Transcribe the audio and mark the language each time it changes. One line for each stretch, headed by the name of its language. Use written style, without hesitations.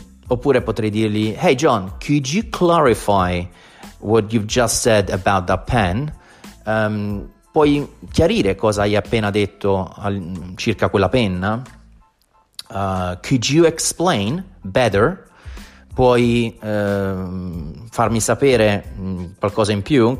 Italian: Oppure potrei dirgli:
English: hey John, could you clarify what you've just said about that pen?
Italian: Puoi chiarire cosa hai appena detto circa quella penna?
English: Could you explain better?
Italian: Puoi farmi sapere qualcosa in più?